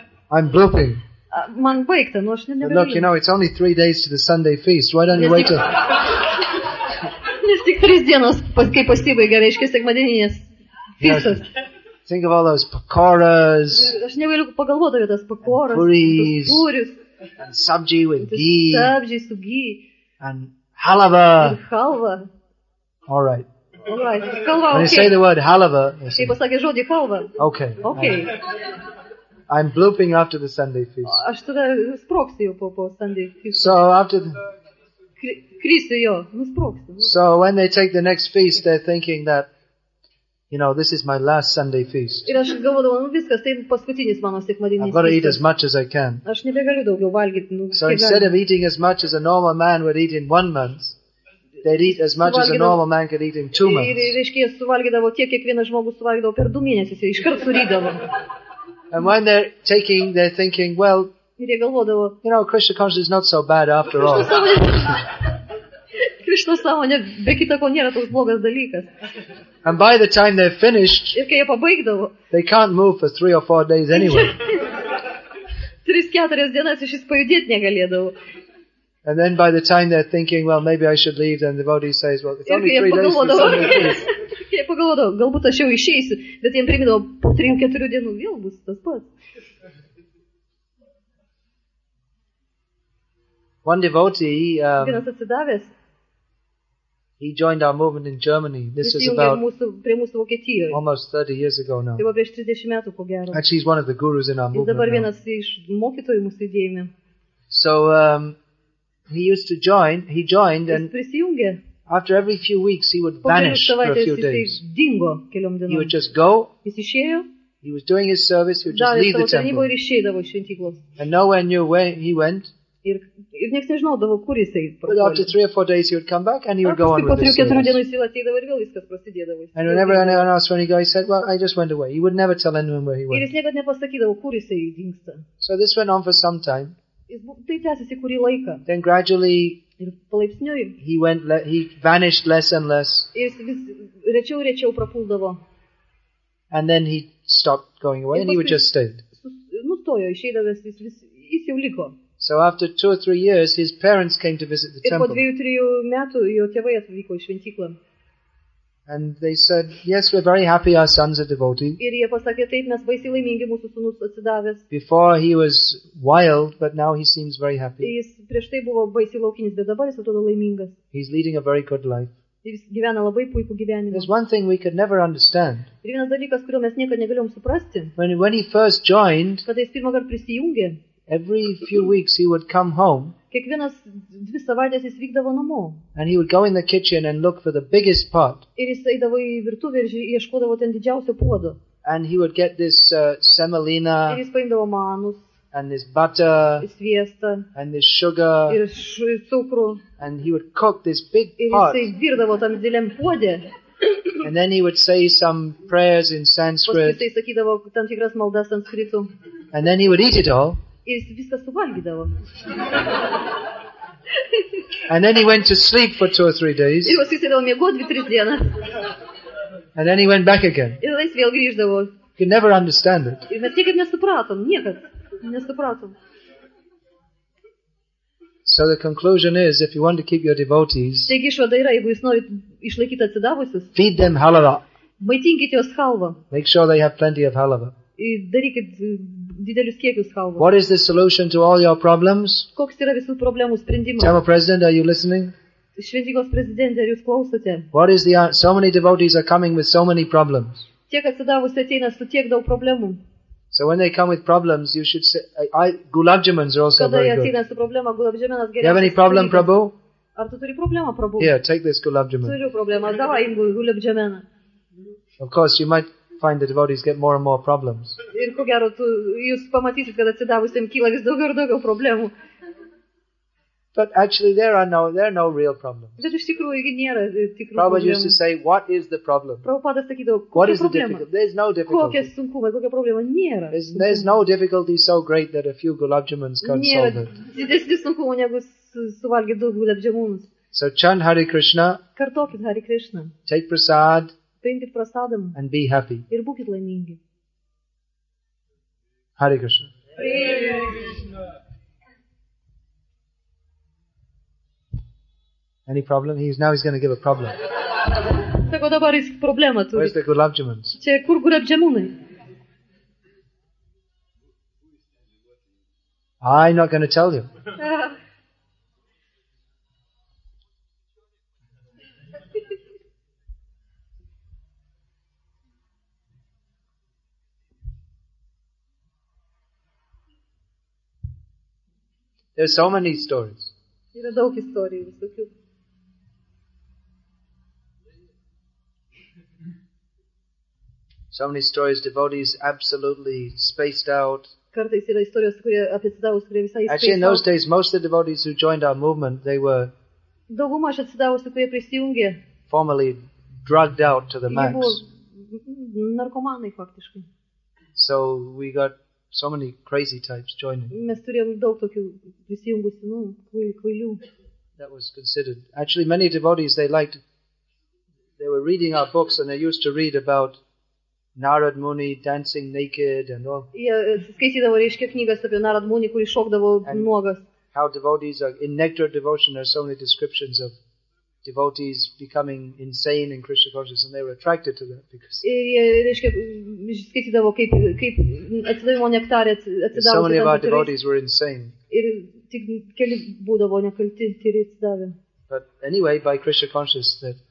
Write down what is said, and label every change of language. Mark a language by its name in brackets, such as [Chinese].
[English] I'm blooping. Look, you know, it's only 3 days to the Sunday feast. Why don't you wait till... [Lithuanian] tris dienos, kai pasibaigė, reiškia, sekmadieninės fiksas. [English] Think of all those pakoras. [Lithuanian] Aš negaliu pagalvoti apie tas pakoras, [English] puris, [Lithuanian] tos puris. [English] And sabji with ghee. [Lithuanian] Sabji su ghee. [English] And halava. [Lithuanian] Halva. [English] All right. All right. Halva, when You say the word halava, [Lithuanian] kai pasakė žodį halva. [English] Okay. Okay. I'm blooping after the Sunday feast. [Lithuanian] Aš tada sproksiu jau po [English] Sunday feast. So after the... [Lithuanian] Krisiu jo, nusproksiu. [English] So when they take the next feast, they're thinking that, you know, this is my last Sunday feast. [Lithuanian] Ir aš galvodavau, nu viskas, tai paskutinis mano sekmadieninis. [English] I've got to eat as much as I can. [Lithuanian] Aš nebegaliu daugiau valgyti. Nu, [English] so instead of eating as much as a normal man would eat in 1 month, they'd eat as much as a normal man could eat in 2 months. [Lithuanian] Ir reiškia, suvalgydavo tiek, kiek vienas žmogus suvalgydavo per 2 mėnesius, ir iškart surydavo. [English] And when they're taking, they're thinking, well, you know, Krishna consciousness is not so bad after all. [Lithuanian] Krishna sąmonė, be kita ko, nėra toks blogas dalykas. [English] And by the time they're finished, [Lithuanian] ir kai jie pabaigdavo, [English] they can't move for 3 or 4 days anyway. [Lithuanian] 3-4 dienas iš jis pajudėti negalėdavo. [English] And then by the time they're thinking, well, maybe I should leave, then the devotee says, well, it's only 3 days for Sunday feast. [Lithuanian] Jie pagalvodavo, galbūt aš jau išeisiu, bet jiems primindavo, po 3-4 dienų vėl bus tas pats. [English] One devotee, [Lithuanian] vienas atsidavęs, [English] he joined our movement in Germany. This is about [Lithuanian] prie mūsų Vokietijoje. [English] Almost 30 years ago now. [Lithuanian] Tai buvo prieš 30 metų, ko gero. [English] Actually, he's one of the gurus in our movement. [Lithuanian] Jis dabar vienas iš mokytojų mūsų judėjime. [English] So, he used to join, he joined and... After every few weeks, he would vanish for a few days. [Lithuanian] Dingo, [English] he would just go. [Lithuanian] Išėjo, [English] he was doing his service. He would just leave the temple. [Lithuanian] Ir išėdavo iš šventyklos. [English] And nowhere knew where he went. [Lithuanian] Ir nieks nežinodavo, kur jisai. [English] But after 3 or 4 days, he would come back and he would go on with his service. And whenever anyone asked where he go, he said, well, I just went away. He would never tell anyone where he went. [Lithuanian] Ir jis niekad nepasakydavo, kur jisai dingsta. [English] So this went on for some time. [Lithuanian] Tai tęsėsi kurį laiką. [English] Then gradually... [Lithuanian] Ir palaipsniui. [English] He vanished less and less. [Lithuanian] Ir vis rečiau ir rečiau prapuldavo. [English] And then he stopped going away and he would just stay. [Lithuanian] Nustojo, išeidavęs, jis jau liko. [English] So after 2 or 3 years, his parents came to visit the temple. [Lithuanian] Ir po 2-3 metų jo tėvai atvyko į šventyklą. [English] And they said, yes, we're very happy our son's a devotee. [Lithuanian] Ir jie pasakė, taip, mes baisiai laimingi, mūsų sūnus atsidavęs. [English] Before he was wild, but now he seems very happy. [Lithuanian] Jis prieš tai buvo baisiai laukinis, bet dabar jis atrodo laimingas. [English] He's leading a very good life. [Lithuanian] Jis gyvena labai puikų gyvenimą. [English] There's one thing we could never understand. [Lithuanian] Ir vienas dalykas, kurio mes niekad negalėjom suprasti. [English] When he first joined, [Lithuanian] kada jis pirmą kartą prisijungė, [English] every few weeks he would come home. [Lithuanian] Kiekvienas 2 savaites jis vykdavo namo. [English] And he would go in the kitchen and look for the biggest pot. [Lithuanian] Ir jis eidavo į virtuvę ir ieškodavo ten didžiausio puodo. [English] And he would get this semolina. [Lithuanian] Ir jis paimdavo manus. [English] And this butter. [Lithuanian] Ir sviestą. [English] And this sugar. [Lithuanian] Ir cukrų. [English] And he would cook this big pot. [Lithuanian] Ir jis virdavo tam dideliam puode. [English] And then he would say some prayers in Sanskrit. [Lithuanian] Paskui jis sakydavo tam tikras maldas sanskritu. [English] And then he would eat it all. [Lithuanian] Ir jis viską suvalgydavo. [English] And then he went to sleep for 2 or 3 days. [Lithuanian] Ir jis eidavo miegoti 2-3 dienas. [English] And then he went back again. [Lithuanian] Ir jis vėl grįždavo. [English] You could never understand it. [Lithuanian] Ir mes niekad nesupratom, niekad nesupratom. [English] So the conclusion is, if you want to keep your devotees, [Lithuanian] taigi išvada yra, jeigu jūs norit išlaikyti atsidavusius, [English] feed them halava. [Lithuanian] Maitinkite juos halva. [English] Make sure they have plenty of halava. [Lithuanian] Darykit didelius kiekius halvos. [English] What is the solution to all your problems? [Lithuanian] Koks yra visų problemų sprendimas? [English] Temple president, are you listening? [Lithuanian] Šventyklos prezidente, ar jūs klausote? [English] What is the answer? So many devotees are coming with so many problems. [Lithuanian] Tiek atsidavusių ateina su tiek daug problemų. [English] So when they come with problems, you should say, gulabjamans are also [Lithuanian] kada [English] very good. [Lithuanian] Kada jie ateina su problema, gulabjamanas geriausias. [English] Do you have any problem, Prabhu? [Lithuanian] Ar tu turi problemą, Prabhu? [English] Yeah, take this gulabjaman. [Lithuanian] Turiu problemą, davai jim gulabjamaną. [English] Of course, you might find the devotees get more and more problems. [Lithuanian] Ir ko gero, jūs pamatysit, kad atsidavusiam kyla vis daugiau ir daugiau problemų. [English] But actually there are no real problems. [Lithuanian] Bet iš tikrųjų nėra tikrų problemų. [English] Prabhupada used to say, what is the problem? [Lithuanian] Prabhupada sakydavo, [English] what is the difficulty? There's no difficulty. [Lithuanian] Kokia sunkumai, kokia problema? Nėra. [English] There's no difficulty so great that a few gulabjamans can't solve it. [Lithuanian] Nėra didesnių sunkumų, negu suvalgyti 2 gulabjamans. [English] So chant Hare Krishna. [Lithuanian] Kartokit Hare Krishna. [English] Take prasad. [Lithuanian] Paimkit prasadam [English] and be happy. [Lithuanian] Ir būkit laimingi. [English] Hare Krishna. Hare Krishna. Any problem? He's going to give a problem. [Lithuanian] Sako dabar jis problemą turi. Vaistai kur labdžiamams. Čia kur gurabdžiamūnai. [English] I'm not going to tell you. There's so many stories. [Lithuanian] Yra daug istorijų visokių. [English] So many stories, devotees absolutely spaced out. [Lithuanian] Kartais yra istorijos, kurie apie atsidavus, kurie visai [English] spaced out. Actually, in those days, most of the devotees who joined our movement, they were [Lithuanian] dauguma iš atsidavusių, kurie prisijungė, [English] formally drugged out to the max. [Lithuanian] Jie buvo narkomanai faktiškai. [English] So we got so many crazy types joining. [Lithuanian] Mes turėjom daug tokių prisijungusių, kvailių. [English] That was considered. Actually, many devotees, they liked, they were reading our books and they used to read about Narad Muni dancing naked and all. [Lithuanian] Jie skaitydavo reiškia knygas apie Narad Muni, kuris šokdavo nuogas. [English] How devotees are in nectar devotion, there are so many descriptions of devotees becoming insane in Krishna consciousness, and they were attracted to that because. [Lithuanian] Jie reiškia skaitydavo kaip atsidavimo nektare atsidavo. [English] So many of our devotees were insane. [Lithuanian] Ir tik keli būdavo nekalti ir atsidavę. [English] But anyway, by Krishna consciousness that.